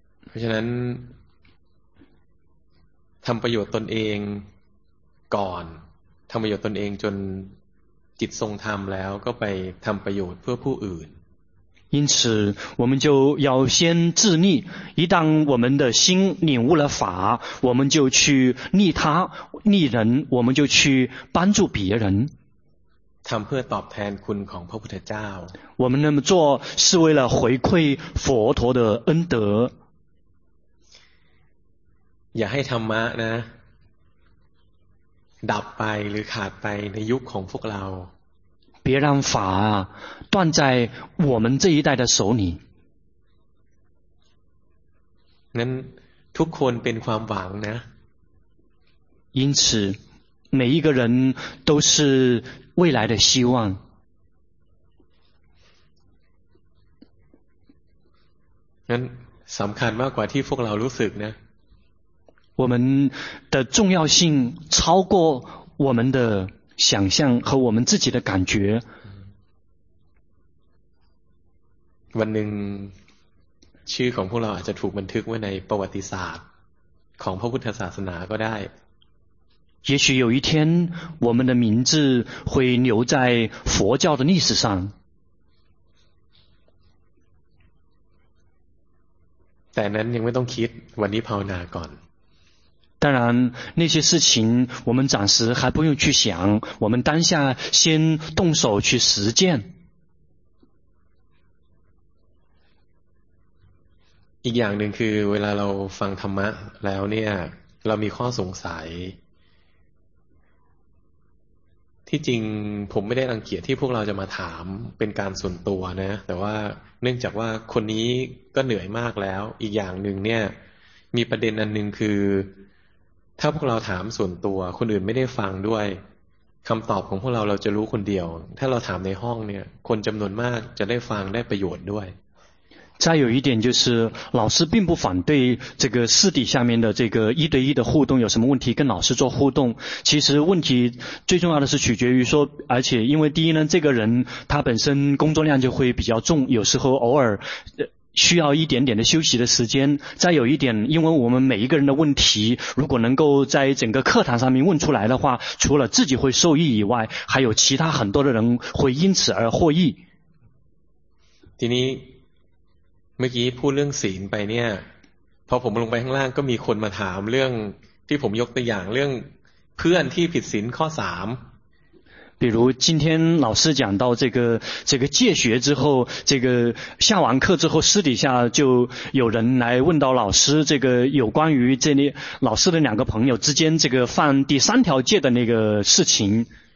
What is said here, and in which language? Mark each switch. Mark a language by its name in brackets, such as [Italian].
[Thai] เพราะฉะนั้นทำประโยชน์ตนเองก่อนทำประโยชน์ตนเองจนจิตทรงธรรมแล้วก็ไปทำประโยชน์เพื่อผู้อื่น [Chinese] 因此我们就要先自利，一旦我们的心领悟了法，我们就去利他利人，我们就去帮助别人。 [Thai] ทำเพื่อตอบแทนคุณของพระพุทธเจ้า [Chinese] 我们那么做是为了回馈佛陀的恩德。 [Thai] อย่าให้ธรรมะนะดับไปหรือขาดไปในยุคของพวกเรา [Chinese] 别让法断在我们这一代的手里。 [Thai] นั้นทุกคนเป็นความหวังนะ [Chinese] 因此每一个人都是未来的希望。 [Thai] นั้นสำคัญมากกว่าที่พวกเรารู้สึกนะ [Chinese] 我们的重要性超过我们的想象和我们自己的感觉。 [Thai] วันหนึ่งชื่อของพวกเราอาจจะถูกบันทึกไว้ในประวัติศาสตร์ของพระพุทธศาสนาก็ได้ [Chinese] 也许有一天我们的名字会留在佛教的历史上 [Thai] แต่นั้นยังไม่ต้องคิดวันนี้ภาวนาก่อน [Chinese] 当然那些事情我们暂时还不用去想，我们当下先动手去实践。 [Thai] อีกอย่างหนึ่งคือเวลาเราฟังธรรมะแล้วเนี่ยเรามีข้อสงสัยที่จริงผมไม่ได้รังเกียจที่พวกเราจะมาถามเป็นการส่วนตัวนะแต่ว่าเนื่องจากว่าคนนี้ก็เหนื่อยมากแล้วอีกอย่างหนึ่งเนี่ยมีประเด็นอันหนึ่งคือถ้าพวกเราถามส่วนตัวคนอื่นไม่ได้ฟังด้วยคำตอบของพวกเราเราจะรู้คนเดียวถ้าเราถามในห้องเนี่ยคนจำนวนมากจะได้ฟังได้ประโยชน์ด้วย [Chinese] 再有一点就是老师并不反对这个私底下面的这个一对一的互动有什么问题跟老师做互动其实问题最重要的是取决于说而且因为第一呢这个人他本身工作量就会比较重有时候偶尔需要一点点的休息的时间再有一点因为我们每一个人的问题如果能够在整个课堂上面问出来的话除了自己会受益以外还有其他很多的人会因此而获益 [Thai] ทีนี้เมื่อกี้พูดเรื่องศีลไปเนี่ยพอผมลงไปข้างล่างก็มีคนมาถามเรื่องที่ผมยกตัวอย่างเรื่องเพื่อนที่ผิดศีลข้อ3 [Chinese] 比如今天老师讲到这个戒学之后这个下完课之后私底下就有人来问到老师这个有关于这里老师的两个朋友之间这个犯第三条戒的那个事情